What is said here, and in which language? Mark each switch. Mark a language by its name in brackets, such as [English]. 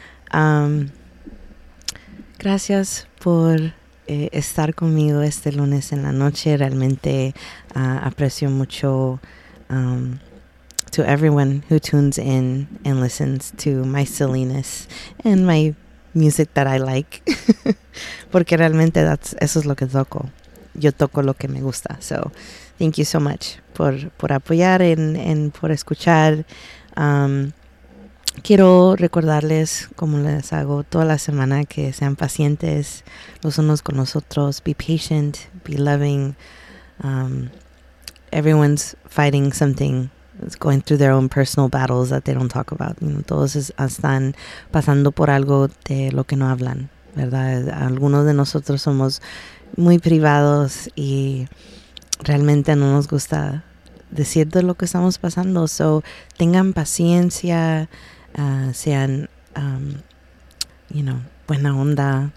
[Spanish] Gracias por estar conmigo este lunes en la noche. Realmente aprecio mucho [English] to everyone who tunes in and listens to my silliness and my music that I like. [Spanish] Porque realmente eso es lo que toco. Yo toco lo que me gusta. [English] So thank you so much [Spanish] por apoyar en por escuchar. Quiero recordarles, como les hago toda la semana, que sean pacientes los unos con los otros. [English] Be patient, be loving. Everyone's fighting something. It's going through their own personal battles that they don't talk about. [Spanish] You know, todos están pasando por algo de lo que no hablan, ¿verdad? Algunos de nosotros somos muy privados y realmente no nos gusta decir de lo que estamos pasando. So, tengan paciencia. Sean, you know, buena onda.